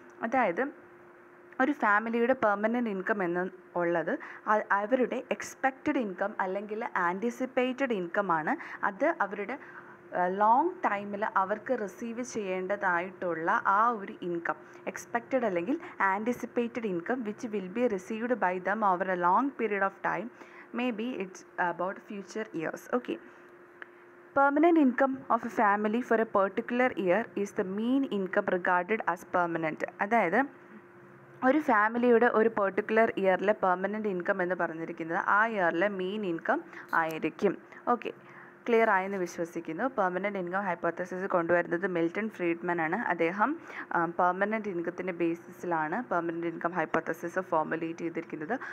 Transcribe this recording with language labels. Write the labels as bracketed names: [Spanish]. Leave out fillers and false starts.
[Malayalam] അതായത് ഒരു ഫാമിലിയുടെ പെർമനൻറ്റ് ഇൻകം എന്ന് ഉള്ളത് അവരുടെ എക്സ്പെക്റ്റഡ് ഇൻകം അല്ലെങ്കിൽ ആൻറ്റിസിപ്പേറ്റഡ് ഇൻകം ആണ്. അത് അവരുടെ ലോങ് ടൈമിൽ അവർക്ക് റിസീവ് ചെയ്യേണ്ടതായിട്ടുള്ള ആ ഒരു ഇൻകം, എക്സ്പെക്റ്റഡ് അല്ലെങ്കിൽ anticipated income [English] Which will be received by them over a long period of time, may be it's about future years. Okay. Permanent income of a family for a particular year is the mean income regarded as permanent. [Malayalam] അതായത് ഒരു ഫാമിലിയുടെ ഒരു particular ഇയറിലെ permanent income എന്ന് പറഞ്ഞിരിക്കുന്നത് ആ ഇയറിലെ മീൻ income ആയിരിക്കും. Okay, clear ആയെന്ന് വിശ്വസിക്കുന്നു. പെർമനൻ്റ് ഇൻകം ഹൈപ്പോത്തസിസ് കൊണ്ടുവരുന്നത് മിൽട്ടൺ ഫ്രീഡ്മാൻ ആണ്. അദ്ദേഹം permanent ഇൻകത്തിൻ്റെ ബേസിസിലാണ് permanent income hypothesis formulate ചെയ്തിരിക്കുന്നത്.